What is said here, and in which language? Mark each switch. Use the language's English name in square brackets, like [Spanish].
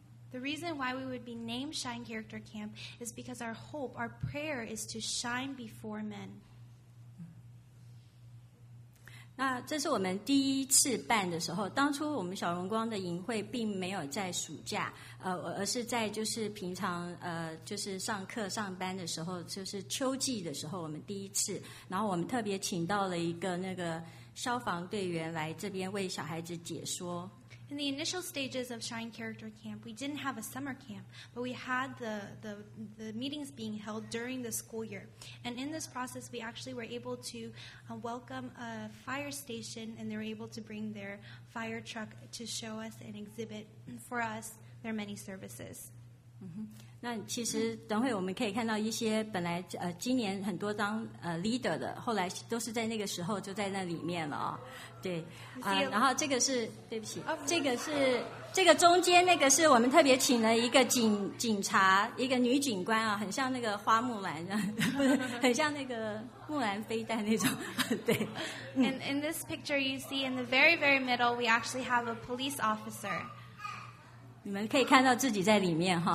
[English] The reason why we would be named Shine Character Camp is because our hope, our prayer is to shine before men. [Chinese] 那这是我们第一次办的时候，当初我们小荣光的营会并没有在暑假，而是在就是平常就是上课上班的时候，就是秋季的时候我们第一次，然后我们特别请到了一个那个消防队员来这边为小孩子解说。 [English] In the initial stages of Shine Character Camp, we didn't have a summer camp, but we had the meetings being held during the school year. And in this process, we actually were able to welcome a fire station, and they were able to bring their fire truck to show us and exhibit for us their many services. [Chinese] 那其实等会我们可以看到一些本来今年很多当leader 的，后来都是在那个时候就在那里面了啊、哦。对啊、然后这个是对不起、oh, 这个是这个中间那个是我们特别请了一个警察一个女警官啊，很像那个花木兰，很像那个木兰飞弹那种，对。 [English] And in this picture you see in the very very middle we actually have a police officer. [Chinese] 你们可以看到自己在里面哈。